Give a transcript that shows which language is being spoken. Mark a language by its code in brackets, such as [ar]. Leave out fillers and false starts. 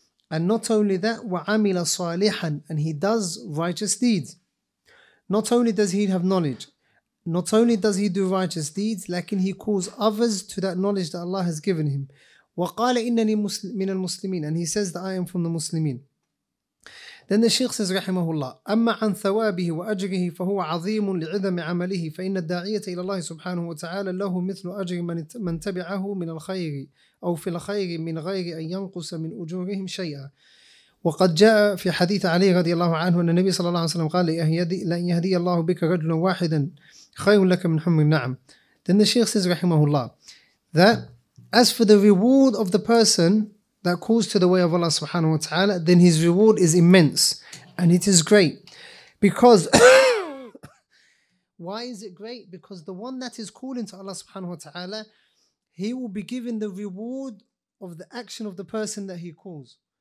[en] And not only that, [ar] وَعَمِلَ صَالِحًا, [en] and he does righteous deeds. Not only does he have knowledge, not only does he do righteous deeds, lakin he calls others to that knowledge that Allah has given him. [ar] وَقَالَ إِنَّنِي مِنَ الْمُسْلِمِينَ, [en] and he says that I am from the Muslimin. Then the Shaykh says, rahimahullah, [ar] أَمَّا عَنْ ثَوَابِهِ وَأَجْرِهِ فَهُوَ عَظِيمٌ لِعِذَمِ عَمَلِهِ فَإِنَّ الدَّاعِيَةَ إِلَى اللَّهِ سُبْحَانَهُ وَتَعَالَى لَهُ مِثْلُ أَجْرِ مَنْ تَبِعَهُ مِنَ الْخَيْرِ أَوْ فِي الْخَيْرِ مِنْ غَيْرِ أَنْ يَنْقُصَ مِنْ أُجُورِهِمْ شَيْئًا. وقد جاء في حديث علي رضي الله عنه أن النبي صلى الله عليه وسلم قال لأن يهدي الله بك رجلا واحدا خير لك من حمر النعم. [en] Then the Shaykh says rahimahullah that as for the reward of the person that calls to the way of Allah subhanahu wa ta'ala, then his reward is immense and it is great. Because why is it great? Because the one that is calling to Allah subhanahu wa ta'ala, he will be given the reward of the action of the person that he calls.